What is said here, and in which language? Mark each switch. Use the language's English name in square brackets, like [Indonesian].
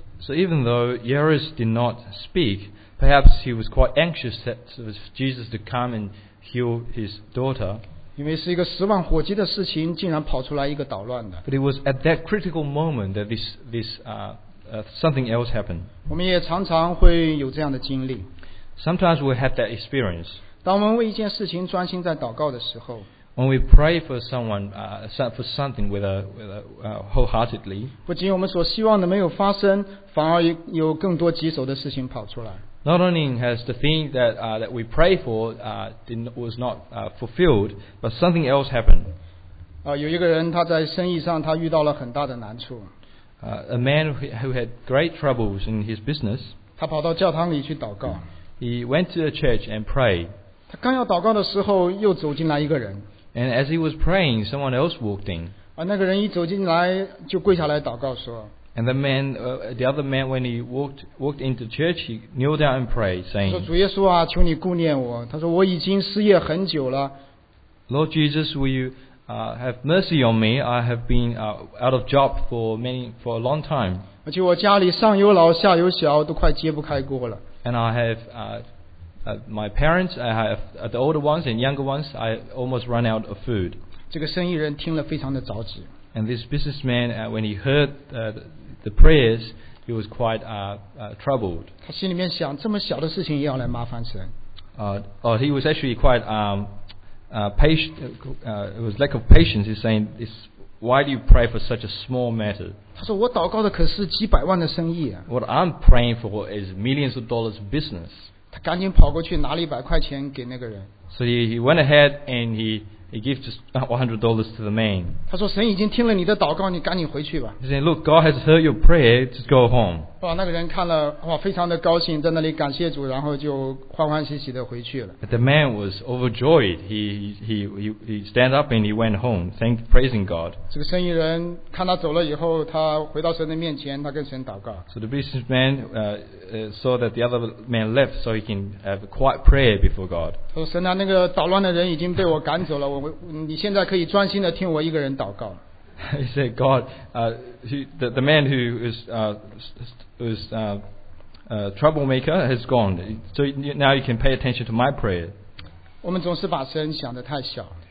[English] So even though Jairus did not speak, perhaps he was quite anxious that Jesus to come and heal his daughter. [Chinese] 因为是一个十万火急的事情，竟然跑出来一个捣乱的。 [English] But it was at that critical moment that this something else happen. [Chinese] 我们也常常会有这样的经历。 [English] Sometimes we have that experience. [Chinese] 当我们为一件事情专心在祷告的时候。 [English] When we pray for someone, for something wholeheartedly. [Chinese] 不仅我们所希望的没有发生，反而有更多棘手的事情跑出来。 [English] Not only has the thing that we pray for was not fulfilled, but something else happened. [Chinese] 有一个人他在生意上他遇到了很大的难处。 [English] A man who had great troubles in his business. [Chinese] 他跑到教堂里去祷告。 [English] He went to a church and prayed. [Chinese] 他刚要祷告的时候，又走进来一个人。 [English] And as he was praying, someone else walked in. [Chinese] 那个人一走进来就跪下来祷告说。 [English] And the other man, when he walked into church, he kneeled down and prayed, saying, [Chinese] 主耶稣啊，求你顾念我。他说我已经失业很久了。 [English] Lord Jesus, will you have mercy on me? I have been out of job for a long time. [Chinese] 而且我家里上有老下有小，都快揭不开锅了。 [English] And I have my parents, I have the older ones and younger ones, I almost run out of food. [Chinese] 这个生意人听了非常的着急。 [English] And this businessman, when he heard the prayers, he was quite troubled. [Chinese] 他心里面想，这么小的事情也要来麻烦神。 [English] He was actually quite patient. It was lack of patience. He's saying, "Why do you pray for such a small matter?" [Chinese] 他说，我祷告的可是几百万的生意啊。 [English] What I'm praying for is millions of dollars business. [Chinese] 他赶紧跑过去拿了一百块钱给那个人。 [English] So he went ahead and he gave just $100 to the man. [Chinese] 他说神已经听了你的祷告，你赶紧回去吧。 [English] He said, "Look, God has heard your prayer. Just go home." [Chinese] 哇，那个人看了，哇，非常的高兴，在那里感谢主，然后就欢欢喜喜的回去了。 [English] But the man was overjoyed. He stand up and he went home, praising God. [Chinese] 这个生意人看他走了以后，他回到神的面前，他跟神祷告。 [English] So the businessman saw that the other man left, so he can have a quiet prayer before God. [Chinese] 说神啊，那个捣乱的人已经被我赶走了。你现在可以专心的听我一个人祷告。 [English] He said, "God, the man who is troublemaker has gone. So now you can pay attention to my prayer." [Chinese] 我们总是把神想得太小。